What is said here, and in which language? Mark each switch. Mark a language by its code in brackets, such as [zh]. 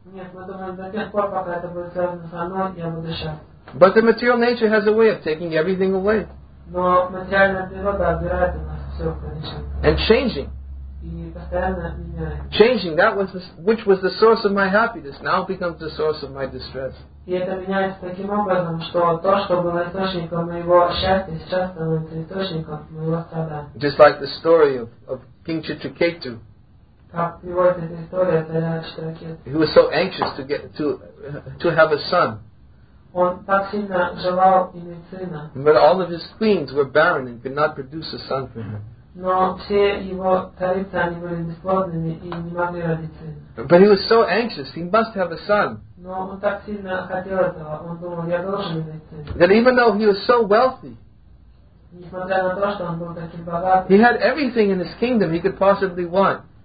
[en] But the material nature has a way of taking everything away. And changing. Changing, that was which was the source of my happiness, now becomes the source of my distress. [ru] И это меняется таким образом, что то, что было источником моего счастья, сейчас становится источником моего страдания. [en] Just like the story of King Chitraketu. [ru] Как приводит эта история царя Читракету. [en] He was so anxious to have a son. [ru] Он так сильно желал иметь сына. [en] But all of his queens were barren and could not produce a son for him. [ru] Но все его царицы, они были бесплодными и не могли родить сына. [en] But he was so anxious, he must have a son. [ru] Но он так сильно хотел этого, он думал, я должен иметь сына. [en] That even though he was so wealthy, [ru] несмотря на то, что он был таким богатым, [en] he had everything in his kingdom he could possibly want.